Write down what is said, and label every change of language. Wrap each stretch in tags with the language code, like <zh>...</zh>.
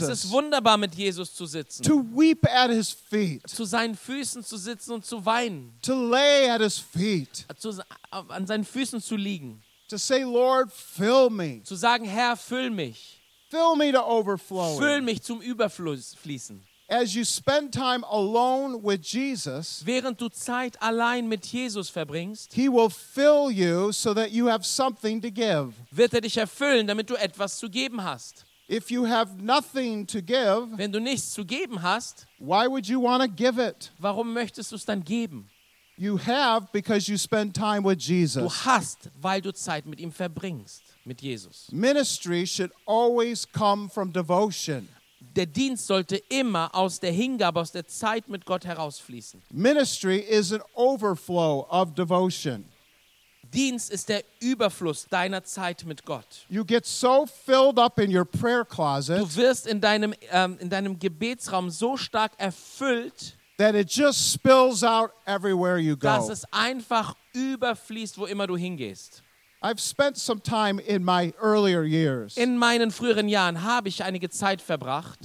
<de>Es ist wunderbar, mit Jesus zu sitzen.</de> <en>To weep at his feet.</en> <de>Zu seinen Füßen zu sitzen und zu weinen.</de> <en>To lay at his feet.</en> <de>An seinen Füßen zu liegen.</de> <en>To say, Lord, fill me.</en> <de>Zu sagen, Herr, füll mich.</de> <en>Fill me to overflowing.</en> <de>Füll mich zum Überfluss fließen.</de> <en>As you spend time alone with Jesus,</en> <de>während du Zeit allein mit Jesus verbringst,</de> <en>he will fill you so that you have something to give.</en> <de>Wird dich erfüllen, damit du etwas zu geben hast.</de> <en>If you have nothing to give,</en> <de>wenn du nichts zu geben hast,</de> <en>why would you want to give it?</en> <de>Warum möchtest du es dann geben?</de> <en>You have because you spend time with Jesus.</en> <de>Du hast, weil du Zeit mit ihm verbringst. Mit Jesus.</de> <en>Ministry should always come from devotion.</en> <de>Der Dienst sollte immer aus der Hingabe, aus der Zeit mit Gott herausfließen.</de> <en>Ministry is an overflow of devotion.</en> <de>Dienst ist der Überfluss deiner Zeit mit Gott.</de> <en>You get so filled up in your prayer closet.</en> <de>Du wirst in deinem Gebetsraum so stark erfüllt,</de> <en>that it just spills out everywhere you go.</en> <de>Dass es einfach überfließt, wo immer du hingehst.</de> <en>I've spent some time in my earlier years.</en> <de>In meinen früheren Jahren habe ich einige Zeit verbracht.</de>